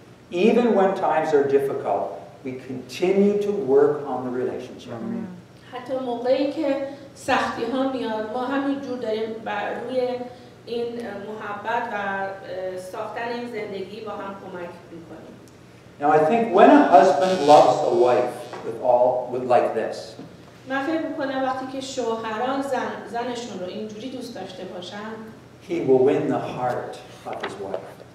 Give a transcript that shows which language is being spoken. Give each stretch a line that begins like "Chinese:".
English: Even when times are difficult, we continue to work on the relationship.
Persian: حتی موقعی که سختی ها میاد ما همینجور داریم بر روی این محبت و ساختن این زندگی با هم کمک میکنیم.
English: Now I think when a husband loves a wife with like this.
Persian: من فکر میکنم وقتی که شوهران زنشون رو اینجوری دوست داشته باشن.
English: He will win the heart of his wife.